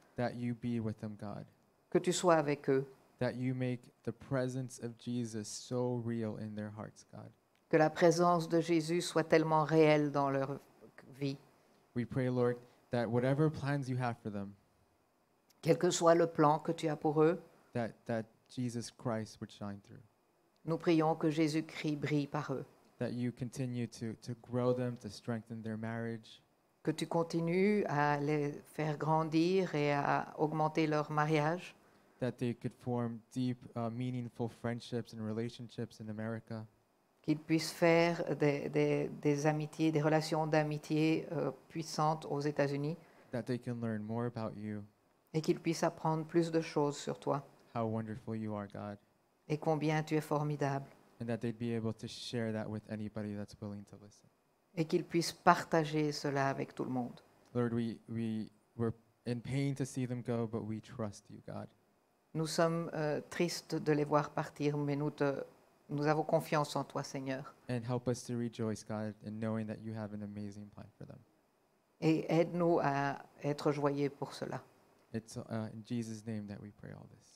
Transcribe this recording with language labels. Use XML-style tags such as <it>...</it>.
<en>That you be with them, God.</en> <fr>Que tu sois avec eux.</fr> <en>That you make the presence of Jesus so real in their hearts, God.</en> <fr>Que la présence de Jésus soit tellement réelle dans leur vie.</fr> <en>We pray, Lord, that whatever plans you have for them.</en> <fr>Quel que soit le plan que tu as pour eux.</fr> <en>That Jesus Christ would shine through.</en> <fr>Nous prions que Jésus-Christ brille par eux.</fr> <en>That you continue to grow them, to strengthen their marriage.</en> <fr>Que tu continues à les faire grandir et à augmenter leur mariage.</fr> <en>That they could form deep, meaningful friendships and relationships in America.</en> <fr>Qu'ils puissent faire des amitiés, des relations d'amitié puissantes aux États-Unis.</fr> <en>That they can learn more about you.</en> <fr>Et qu'ils puissent apprendre plus de choses sur toi.</fr> <en>How wonderful you are, God.</en> <fr>Et combien tu es formidable.</fr> <en>And that they'd be able to share that with anybody that's willing to listen.</en> <fr>Et qu'ils puissent partager cela avec tout le monde.</fr> <en>Lord, we're in pain to see them go, but we trust you, God.</en> <fr>Nous sommes tristes de les voir partir, mais nous avons confiance en toi, Seigneur.</fr> <en>And help us to rejoice, God, in knowing that you have an amazing plan for them.</en> <fr>Et aide-nous à être joyeux pour cela.</fr> <en>It's in Jesus' name that we pray all this.</en>